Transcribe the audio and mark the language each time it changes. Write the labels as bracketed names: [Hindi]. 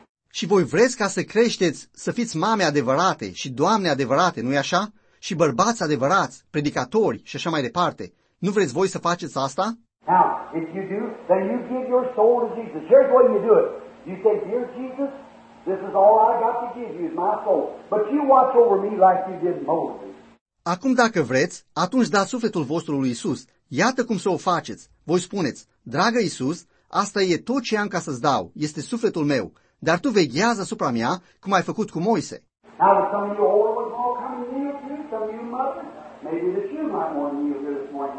[Romanian] Și voi vreți ca să creșteți, să fiți mame adevărate și doamne adevărate, nu-i așa? Și bărbați adevărați, predicatori și așa mai departe. Nu vreți voi să faceți asta? [English] Now, if you do, then you give your soul to Jesus. Here's the way you do it. You say, dear Jesus, this is all I got to give you, is my soul. But you watch over me like you did Moses. [Romanian] Acum, dacă vreți, atunci dați sufletul vostru lui Iisus. Iată cum să o faceți. Voi spuneți, dragă Iisus, asta e tot ce am ca să-ți dau. Este sufletul meu. Dar tu veghează asupra mea, cum ai făcut cu Moise. [English] Now, some of you older ones all come and kneel too, some of you mothers. Maybe that you might want to kneel here this morning.